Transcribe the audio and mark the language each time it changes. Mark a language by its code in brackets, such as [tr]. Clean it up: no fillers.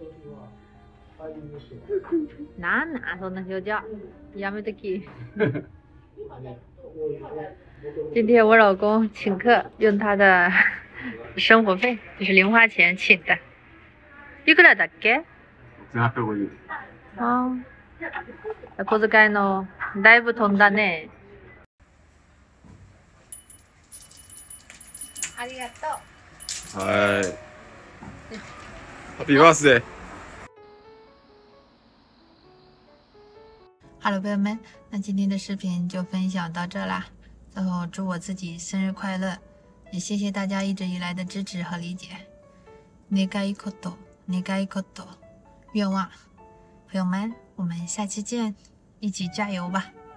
[ja] はい、なんなんそんな表情、やめとき。 [zh] 今天我老公请客，用他的生活费，就是零花钱请的。 [ja] いくらだっけ？ 750円。あ、小遣いのだいぶ飛んだね。ありがとう。はい、ハッピーバースデ [zh] ー。ハロー朋友们，那今天的视频就分享到这啦。最后祝我自己生日快乐，也谢谢大家一直以来的支持和理解。 [ja] 願いこと願いこと [zh] 愿望，朋友们，我们下期见，一起加油吧。